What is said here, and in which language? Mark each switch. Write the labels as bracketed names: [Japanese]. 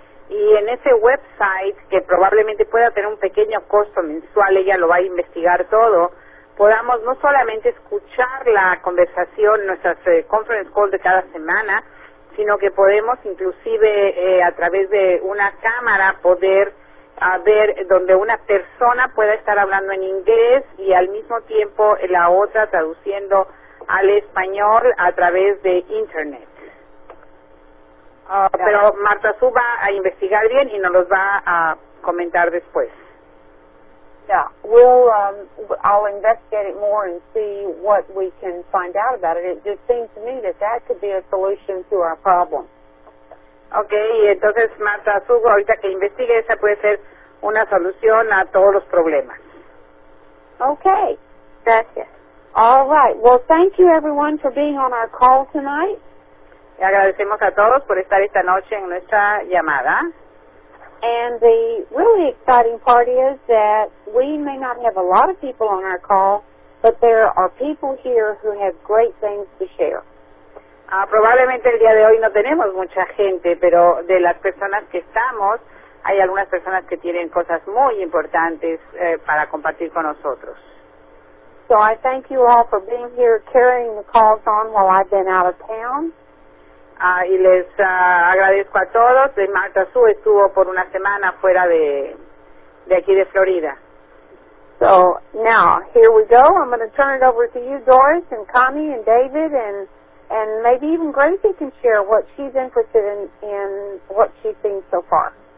[Spanish] Y en ese website, que probablemente pueda tener un pequeño costo mensual, ella lo va a investigar todo, podamos no solamente escuchar la conversación, nuestras conference calls de cada semana, sino que podemos inclusive a través de una cámara poder a ver donde una persona pueda estar hablando en inglés y al mismo tiempo la otra traduciendo al español a través de internet. Pero Marta Sue va a investigar bien y nos los va a comentar después. [English] Yeah, I'll investigate it more and see what we can find out about it. It just seems to me that that could be a solution to our problem. [Spanish] Okay, entonces Marta Sue, ahorita que investigue, esa puede ser una solución a todos los problemas. [English] Okay. [Spanish] Gracias. [English] All right. Well, thank you everyone for being on our call tonight. [Spanish] Y agradecemos a todos por estar esta noche en nuestra llamada. [English] And the really exciting part is that we may not have a lot of people on our call, but there are people here who have great things to share. [Spanish] Probablemente el día de hoy no tenemos mucha gente, pero de las personas que estamos, hay algunas personas que tienen cosas muy importantes para compartir con nosotros. [English] So I thank you all for being here, carrying the calls on while I've been out of town. [Spanish] Y les agradezco a todos. Marta Sue estuvo por una semana fuera de aquí de Florida. [English] So now, here we go. I'm going to turn it over to you, Doris, and Connie, and David, and maybe even Gracie can share what she's interested in what she's seen so far.